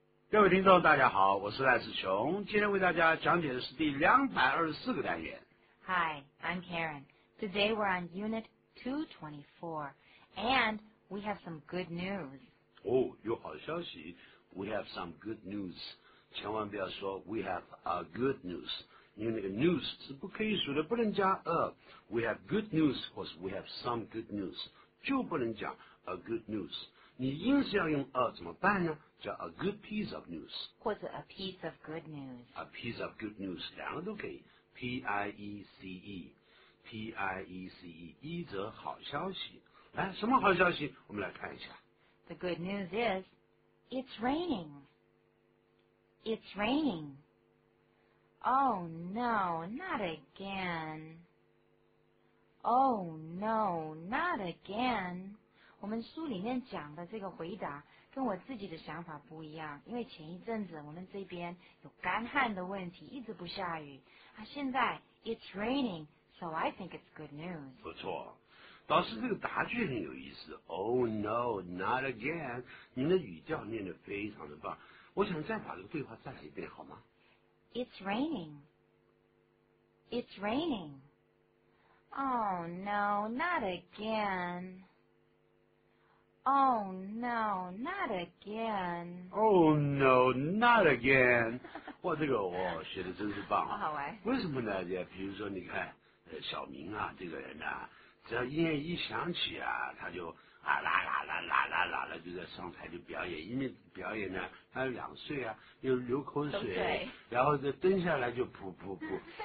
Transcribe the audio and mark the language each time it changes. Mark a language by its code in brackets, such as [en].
[zh] 各位听众大家好，我是赖世雄，今天为大家讲解的是第224个单元。 [en] Hi, I'm Karen. Today we're on Unit 224, and we have some good news. [zh] 有好消息。 [en] We have some good news. [zh] 千万不要说 [en] we have a good news, [zh] 因为那个 news 是不可以数的，不能加 a. [en] We have good news, [zh] 或是 [en] we have some good news, [zh] 就不能讲 [en] a good news。 [zh] 你硬是要用怎么办呢？叫 [en] a good piece of news， [zh] 或者 [en] a piece of good news， a piece of good news， [zh] 两个都可以。 [en] P-I-E-C-E， P-I-E-C-E， [zh] 一则好消息。来，什么好消息？我们来看一下。 [en] The good news is， it's raining， it's raining。 Oh no， not again。 Oh no， not again。 [zh] 我们书里面讲的这个回答跟我自己的想法不一样，因为前一阵子我们这边有干旱的问题，一直不下雨，现在 [en] it's raining, so I think it's good news. [zh] 不错，导师这个答句很有意思。 [en] Oh no, not again. [zh] 您的语调念得非常的棒，我想再把这个对话再来一遍好吗？ [en] It's raining, it's raining. Oh no, not againOh no, not again. Oh no, not again. [zh] 哇，这个哇，写的真是棒啊！好玩。为什么呢？就比如说，你看，小明啊，这个人呢、啊，只要音乐一响起啊，他就啊啦啦啦啦啦啦啦，就在上台就表演。因为表演呢，他有两岁啊，又流口水，然后就蹲下来就噗噗噗。